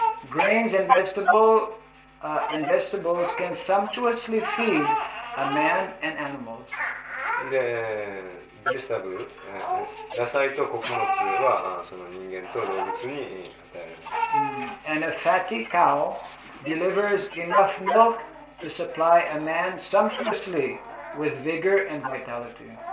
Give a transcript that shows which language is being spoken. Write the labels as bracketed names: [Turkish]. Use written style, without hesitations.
[English] Grains and vegetables can sumptuously feed a man and animals. [Japanese] で、ベジタブル、野菜と穀物はその人間と動物に与えられる。 [English] And a fatty cow delivers enough milk to supply a man sumptuously with vigor and vitality.